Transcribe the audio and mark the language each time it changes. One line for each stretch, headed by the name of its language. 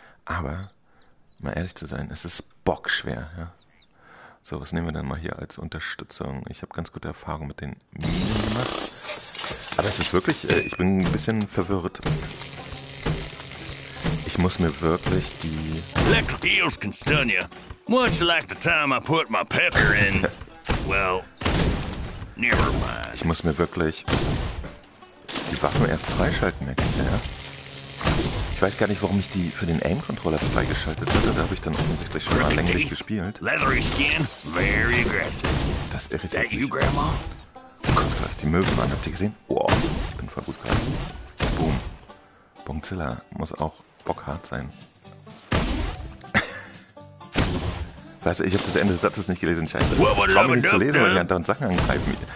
German: Aber, mal ehrlich zu sein, es ist bockschwer. Ja? So, was nehmen wir denn mal hier als Unterstützung? Ich habe ganz gute Erfahrungen mit den Minen gemacht. Aber es ist wirklich, ich bin ein bisschen verwirrt. Ich muss mir wirklich die...
English: Electric eels can stun ya. Much like the time I put my pepper in. Well, never mind.
German: Ich muss mir wirklich die Waffen erst freischalten, merke ich, ja? Ich weiß gar nicht, warum ich die für den Aim-Controller freigeschaltet hatte. Da habe ich dann offensichtlich schon mal länglich gespielt.
English: Leathery skin, very aggressive.
German: Das irritiert mich.
English: You, Grandma?
German: Guckt euch die Möwen an, habt ihr gesehen? Wow, ich bin voll gut gerade. Boom. Bongzilla muss auch bockhart sein. Weißt du, ich habe das Ende des Satzes nicht gelesen. Scheiße, ich traue mich nicht zu lesen, weil die anderen Sachen angreifen.